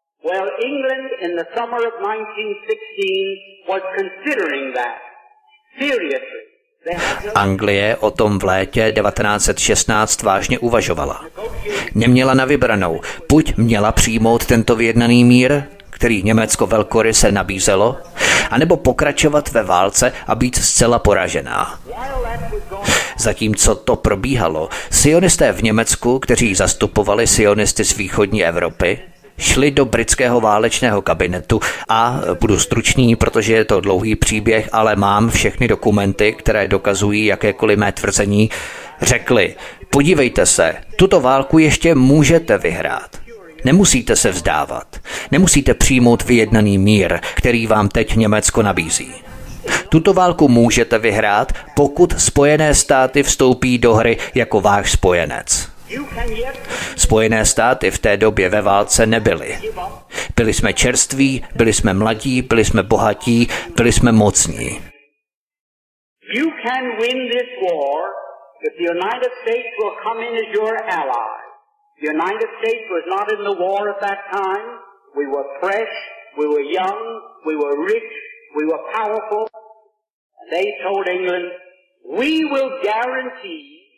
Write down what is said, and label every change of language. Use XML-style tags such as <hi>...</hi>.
<en>Well, England in the summer of 1916 was considering that. Seriously.</en> <cs>Anglie o tom v létě 1916 vážně uvažovala. Neměla na vybranou, buď měla přijmout tento vyjednaný mír, který Německo velkoryse nabízelo, anebo pokračovat ve válce a být zcela poražená. Zatímco to probíhalo, sionisté v Německu, kteří zastupovali sionisty z východní Evropy, šli do britského válečného kabinetu a, budu stručný, protože je to dlouhý příběh, ale mám všechny dokumenty, které dokazují jakékoliv mé tvrzení, řekli, podívejte se, tuto válku ještě můžete vyhrát. Nemusíte se vzdávat. Nemusíte přijmout vyjednaný mír, který vám teď Německo nabízí. Tuto válku můžete vyhrát, pokud Spojené státy vstoupí do hry jako váš spojenec. Spojené státy v té době ve válce nebyly. Byli jsme čerství, byli jsme mladí, byli jsme bohatí, byli jsme mocní.</cs> <en>You can win this war if the United States will come in as your ally. The United States was not in the war at that time. We were fresh, we were young, we were rich, we were powerful. They told England, we will guarantee.</en>